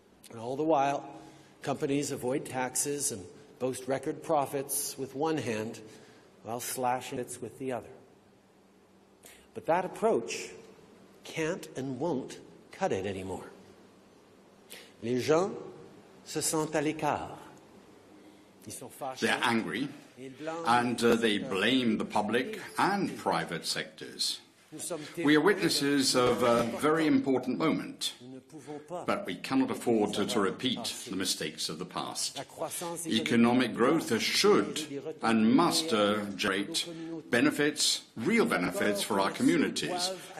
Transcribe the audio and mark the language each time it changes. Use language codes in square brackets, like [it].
[en] And all the while, companies avoid taxes and boast record profits with one hand while slashing it with the other. But that approach can't and won't cut it anymore. [fr] Les gens se sentent à l'écart. Ils sont fâchés. [en] They're angry, and they blame the public and private sectors. We are witnesses of a very important moment, but we cannot afford to repeat the mistakes of the past. Economic growth should and must generate benefits, real benefits for our communities.